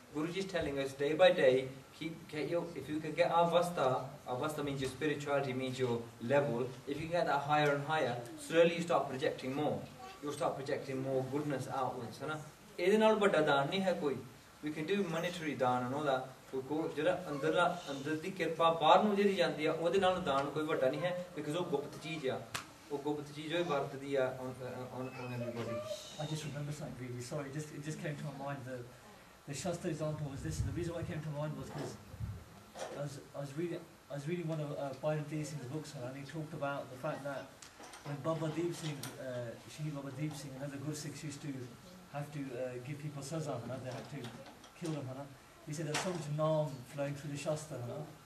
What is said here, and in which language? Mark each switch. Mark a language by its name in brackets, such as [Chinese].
[English] Guruji is telling us day by day, if you can get avasta means your spirituality, means your level. If you can get that higher and higher, slowly you start projecting more. You'll start projecting more goodness outwards, right? [Punjabi] Ede naal vadda daan nahi hai koi. [English] We can do monetary daan and all that. [Punjabi] ਜਿਹੜਾ ਅੰਦਰਲਾ ਅੰਦਰ ਦੀ ਕਿਰਪਾ ਬਾਹਰ ਨੂੰ ਜਿਹੜੀ ਜਾਂਦੀ ਆ ਉਹਦੇ ਨਾਲ ਦਾਨ ਕੋਈ ਵੱਡਾ ਨਹੀਂ ਹੈ ਬਿਕੋਜ਼ ਉਹ ਗੁਪਤ ਚੀਜ਼ ਆ ਉਹ ਗੁਪਤ ਚੀਜ਼ ਹੋਈ ਵਰਤਦੀ ਆ [English] I just remember something really sorry it just came to my mind the Shastra example was this the reason why it came to my mind was because I was reading one of Bhairav Deep Singh's books and he talked about the fact that when Baba Deep Singh Shri Baba Deep Singh and other Guru Sikhs used to have to give people saza and they had to kill them and He said there's so much naam flowing through the shastra. Huh?